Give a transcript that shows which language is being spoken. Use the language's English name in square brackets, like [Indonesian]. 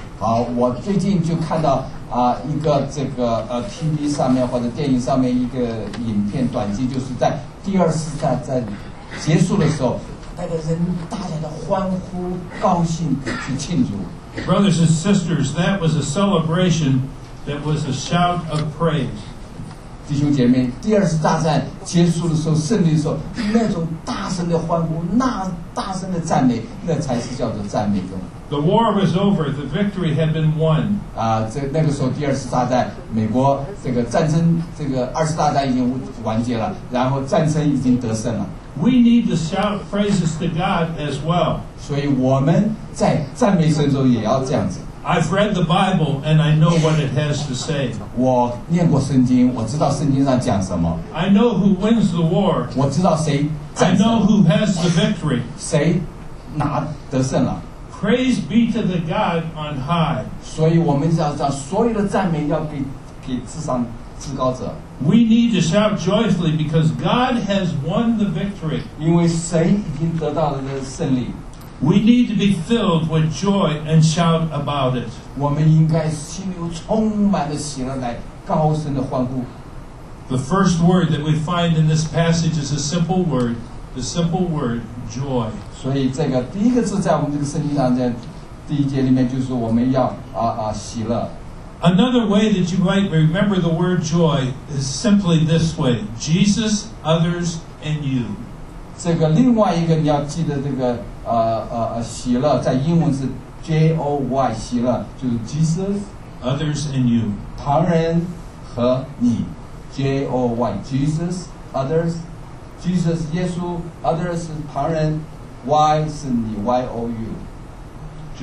[Chinese] 好，我最近就看到一个这个TV 上面或者电影上面一个影片短剧，就是在第二次大战结束的时候，那个人大家的欢呼高兴去庆祝。 [English] Brothers and sisters, that was a celebration that was a shout of praise. [Chinese] 弟兄姐妹，第二次大战结束的时候，胜利的时候，那种大声的欢呼，那大声的赞美，那才是叫做赞美中。 [English] The war was over. The victory had been won. [Chinese] 那个时候第二次大战，美国这个战争，这个二次大战已经完结了，然后战争已经得胜了。 [English] We need to shout praises to God as well. [Chinese] 所以我们在赞美神中也要这样子。 [English] I've read the Bible and I know what it has to say. [Chinese] 我念过圣经，我知道圣经上讲什么。 [English] I know who wins the war. [Chinese] 我知道谁战胜。 [English] I know who has the victory. [Chinese] 谁拿得胜了。 [English] Praise be to the God on high. [Chinese] 所以我们要让所有的赞美要给至上至高者。 [English] We need to shout joyfully because God has won the victory. [Chinese] 因为谁已经得到了这个胜利。 [English] We need to be filled with joy and shout about it. [Chinese] 我们应该心里充满了喜乐，来高声的欢呼。 [English] The first word that we find in this passage is a simple word, the simple word joy. [Chinese] 所以这个第一个字在我们这个圣经上，在第一节里面就是我们要喜乐。 [English] Another way that you might remember the word joy is simply this way: Jesus, others, and you. [Chinese] 这个另外一个你要记得这个。喜乐在英文是 J-O-Y 喜乐，就是 Jesus [English] others and you [Chinese] 他人和你 J-O-Y Jesus others Jesus 耶稣 others 是他人 Y 是你 Y-O-U